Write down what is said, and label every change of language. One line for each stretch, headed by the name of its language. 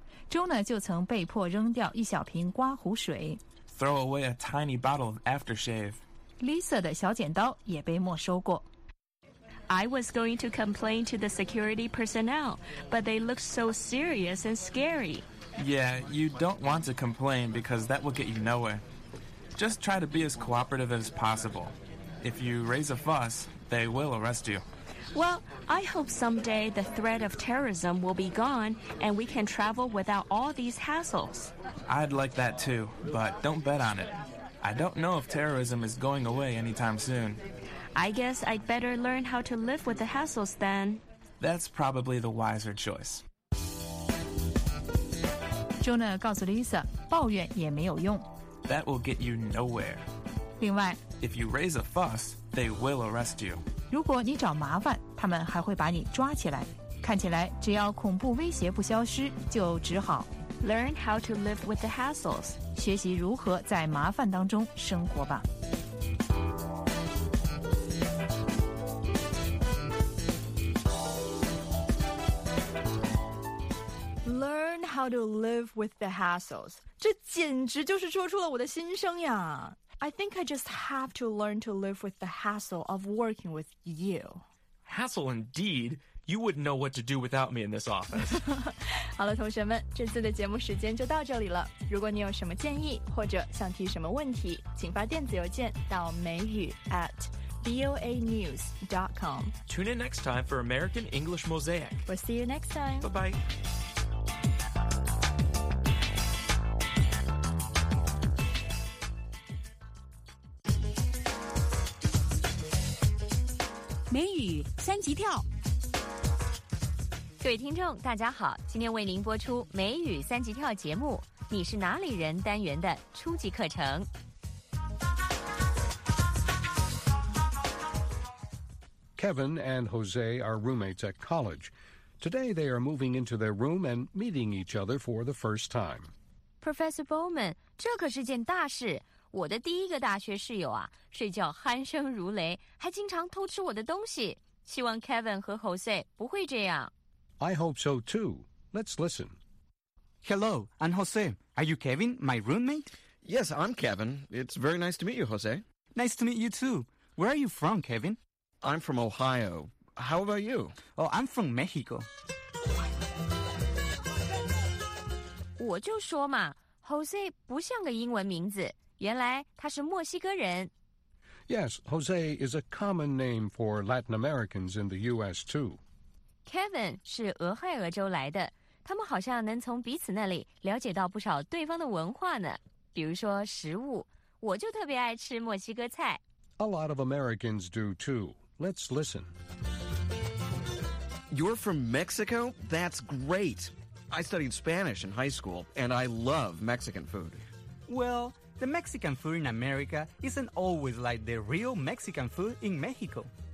Chinese: Jonah 就曾被迫扔掉一小瓶刮胡水。
English: Throw away a tiny bottle of aftershave.
Chinese: Lisa 的小剪刀也被没收过。
English: I was going to complain to the security personnel, but they looked so serious and scary. Yeah, you don't want to complain because that will get you nowhere. Just try to be as cooperative as possible. If you raise a fuss, they will arrest you. Well, I hope someday the threat of terrorism will be gone and we can travel without all these hassles. I'd like that too, but don't bet on it. I don't know if terrorism is going away anytime soon. I guess I'd better learn how to live with the hassles then. That's probably the wiser choice.
Chinese: Jonah 告诉 Lisa, 抱怨也没有用。
English: That will get you nowhere.
Chinese: 另外，
English: If you raise a fuss, they will arrest you.
Chinese: 如果你找麻烦，他们还会把你抓起来。看起来，只要恐怖威胁不消失，就只好
English: Learn how to live with the hassles.
Chinese: 学习如何在麻烦当中生活吧。
English: Learn how to live with the hassles.
Chinese: 这简直就是戳出了我的心声呀。
English: I think I just have to learn to live with the hassle of working with you. Hassle indeed. You wouldn't know what to do without me in this office.
Chinese: 好了，同学们，这次的节目时间就到这里了。如果你有什么建议或者想提什么问题，请发电子邮件到美语 @boanews.com.
English: Tune in next time for American English Mosaic. We'll see you next time. Bye-bye.
Chinese: 美语三级跳。各位听众大家好，今天为您播出美语三级跳节目，你是哪里人单元的初级课程。
English: Kevin and Jose are roommates at college. Today they are moving into their room and meeting each other for the first time.
Chinese: Professor Bowman, 这可是件大事。我的第一个大学室友啊，睡觉鼾声如雷，还经常偷吃我的东西。希望 Kevin 和 Jose 不会这样。
English: I hope so too. Let's listen. Hello, I'm Jose. Are you Kevin, my roommate? Yes, I'm Kevin. It's very nice to meet you, Jose. Nice to meet you too. Where are you from, Kevin? I'm from Ohio. How about you? Oh, I'm from Mexico.
Chinese: 我就说嘛 ,Jose 不像个英文名字。原来他是墨西哥人。
English: Yes, Jose is a common name for Latin Americans in the U.S. too.
Chinese: Kevin 是俄亥俄州来的。他们好像能从彼此那里了解到不少对方的文化呢。比如说食物。我就特别爱吃墨西哥菜。
English: A lot of Americans do too. Let's listen. You're from Mexico? That's great. I studied Spanish in high school, and I love Mexican food. Well, the Mexican food in America isn't always like the real Mexican food in Mexico.